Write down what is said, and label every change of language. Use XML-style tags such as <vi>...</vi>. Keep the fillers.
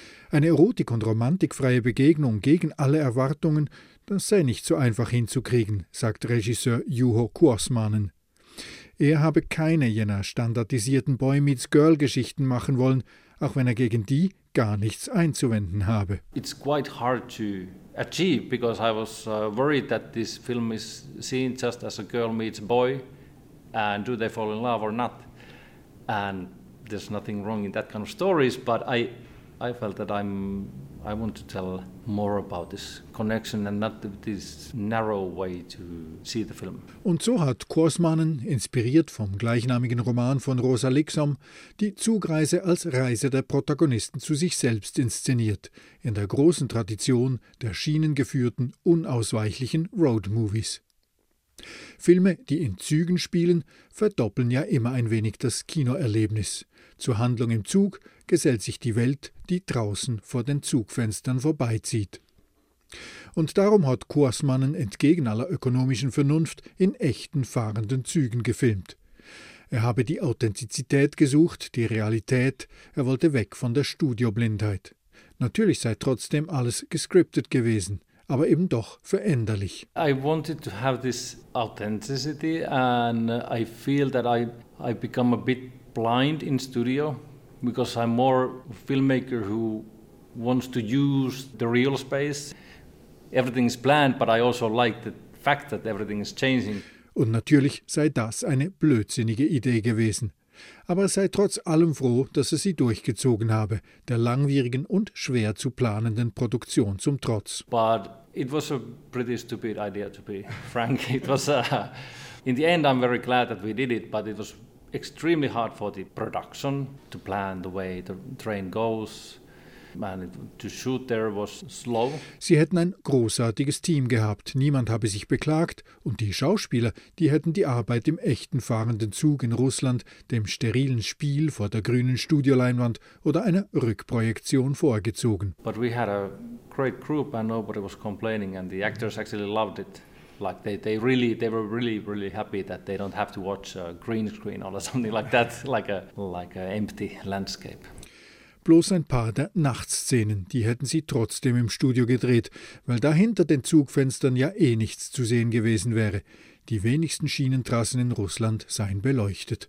<de>Eine erotik- und romantikfreie Begegnung gegen alle Erwartungen, das sei nicht so einfach hinzukriegen, sagt Regisseur Juho Kuosmanen. Er habe keine jener standardisierten Boy-Meets-Girl-Geschichten machen wollen, auch wenn er gegen die, gar nichts einzuwenden habe.</de> <en>It's quite hard to achieve because I was uh, worried that this film is seen just as a girl meets a boy and do they fall in love or not? And there's nothing wrong in that kind of stories, but I I felt that I'm I want to tell more about this connection and not this narrow way to see the film.</en> <de>Und so hat Korsmanen inspiriert vom gleichnamigen Roman von Rosa Lixom, die Zugreise als Reise der Protagonisten zu sich selbst inszeniert, in der großen Tradition der schienengeführten, unausweichlichen Roadmovies. Filme, die in Zügen spielen, verdoppeln ja immer ein wenig das Kinoerlebnis. Zur Handlung im Zug gesellt sich die Welt, die draußen vor den Zugfenstern vorbeizieht. Und darum hat Kursmannen entgegen aller ökonomischen Vernunft in echten fahrenden Zügen gefilmt. Er habe die Authentizität gesucht, die Realität, er wollte weg von der Studioblindheit. Natürlich sei trotzdem alles gescriptet gewesen, aber eben doch veränderlich.</de> <en>I wanted to have this authenticity and I feel that I, I blind in studio because I'm more filmmaker who wants to use the real space. Everything is planned, but I also like the fact that everything is changing.</en> <de>Und natürlich sei das eine blödsinnige Idee gewesen. Aber er sei trotz allem froh, dass er sie durchgezogen habe, der langwierigen und schwer zu planenden Produktion zum Trotz.</de> <en>But it was a pretty stupid idea to be frank. It was in the end I'm very glad that we did it, but it was extremely hard for the production to plan the way the train goes. Man, to shoot there was slow.</en> <de>Sie hätten ein großartiges Team gehabt. Niemand habe sich beklagt. Und die Schauspieler, die hätten die Arbeit im echten fahrenden Zug in Russland, dem sterilen Spiel vor der grünen Studioleinwand oder einer Rückprojektion vorgezogen.</de> <en>But we had a great group and nobody was complaining and the actors actually loved it like they, they, really, they were really, really happy that they don't have to watch a green screen or something like that like a like a empty landscape.</en> <de>Bloß ein paar der Nachtszenen, die hätten sie trotzdem im Studio gedreht, weil da hinter den Zugfenstern ja eh nichts zu sehen gewesen wäre. Die wenigsten Schienentrassen in Russland seien beleuchtet.</de>